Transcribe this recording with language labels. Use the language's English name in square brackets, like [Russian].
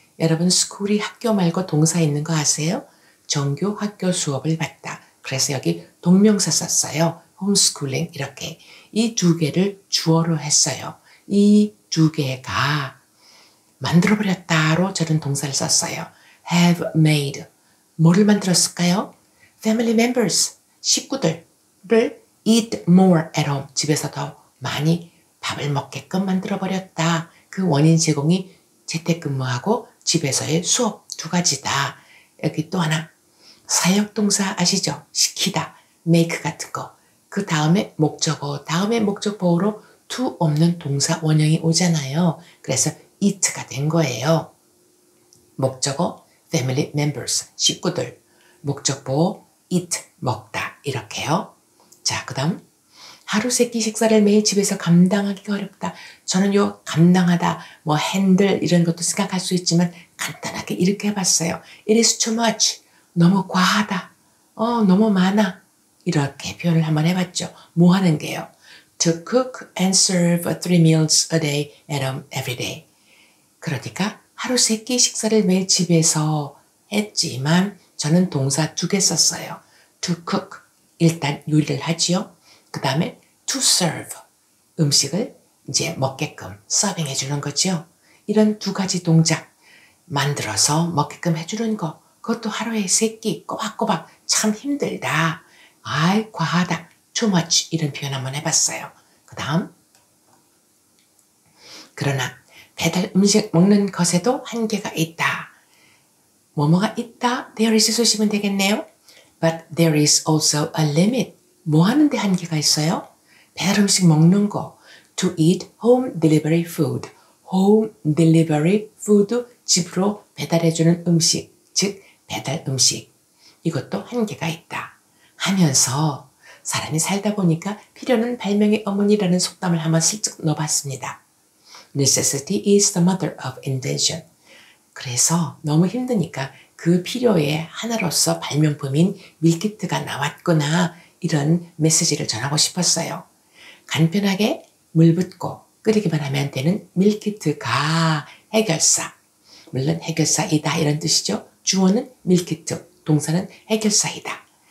[Korean] 여러분, 스쿨이 학교 말고 동사 있는 거 아세요? 정규 학교 수업을 받다. 그래서 여기 동명사 썼어요. homeschooling 이렇게. 이 두 개를 주어로 했어요. 이 두 개가 만들어버렸다로 저는 동사를 썼어요. [English] have made. [Korean] 뭐를 만들었을까요? [English] family members, [Korean] 식구들을 [English] eat more at home. [Korean] 집에서 더 많이 밥을 먹게끔 만들어버렸다. 그 원인 제공이 재택근무하고 집에서의 수업 두 가지다. 여기 또 하나. 사역동사 아시죠? 시키다, make 같은 거. 그 다음에 목적어, 다음에 목적보호로 to 없는 동사 원형이 오잖아요. 그래서 it가 된 거예요. 목적어, family members, 식구들. 목적보호, eat, 먹다, 이렇게요. 자, 그 다음. 하루 세끼 식사를 매일 집에서 감당하기가 어렵다. 저는 요 감당하다, 뭐 handle 이런 것도 생각할 수 있지만 간단하게 이렇게 해봤어요. [English] It is too much. [Korean] 너무 과하다. 너무 많아. 이렇게 표현을 한번 해봤죠. 뭐 하는 게요? [English] To cook and serve three meals a day at home every day. [Korean] 그러니까 하루 세 끼 식사를 매일 집에서 했지만 저는 동사 두 개 썼어요. [English] To cook, [Korean] 일단 요리를 하지요. 그 다음에 [English] to serve, [Korean] 음식을 이제 먹게끔 서빙 해주는 거죠. 이런 두 가지 동작, 만들어서 먹게끔 해주는 거. 그것도 하루에 세 끼 꼬박꼬박 참 힘들다. 아이, 과하다. [English] Too much. [Korean] 이런 표현 한번 해봤어요. 그 다음. 그러나 배달 음식 먹는 것에도 한계가 있다. 뭐뭐가 있다? [English] There is [Korean] 쓰시면 되겠네요. [English] But there is also a limit. [Korean] 뭐 하는데 한계가 있어요? 배달 음식 먹는 거. [English] To eat home delivery food. Home delivery food. [Korean] 집으로 배달해주는 음식. 즉, 배달 음식. 이것도 한계가 있다. 하면서 사람이 살다 보니까 필요는 발명의 어머니라는 속담을 한번 슬쩍 넣어봤습니다. [English] Necessity is the mother of invention. [Korean] 그래서 너무 힘드니까 그 필요의 하나로서 발명품인 밀키트가 나왔구나 이런 메시지를 전하고 싶었어요. 간편하게 물 붓고 끓이기만 하면 되는 밀키트가 해결사. 물론 해결사이다 이런 뜻이죠. 주어는 밀키트, 동사는 해결사이다.